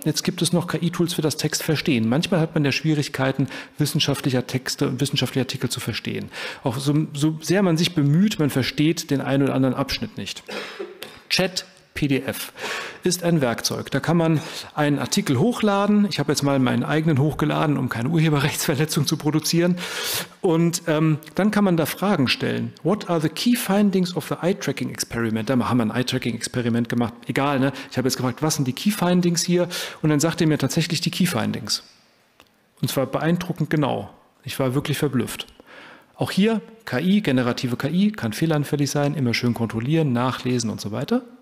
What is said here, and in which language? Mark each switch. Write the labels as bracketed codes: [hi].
[de] Jetzt gibt es noch KI-Tools für das Textverstehen. Manchmal hat man ja Schwierigkeiten, wissenschaftliche Artikel zu verstehen. Auch so sehr man sich bemüht, man versteht den einen oder anderen Abschnitt nicht. Chat PDF ist ein Werkzeug. Da kann man einen Artikel hochladen. Ich habe jetzt mal meinen eigenen hochgeladen, um keine Urheberrechtsverletzung zu produzieren. Und dann kann man da Fragen stellen. [en] What are the key findings of the eye-tracking experiment? [de] Da haben wir ein eye-tracking Experiment gemacht. Egal, ne? Ich habe jetzt gefragt, was sind die key findings hier? Und dann sagt er mir tatsächlich die key findings. Und zwar beeindruckend genau. Ich war wirklich verblüfft. Auch hier KI, generative KI, kann fehleranfällig sein, immer schön kontrollieren, nachlesen und so weiter.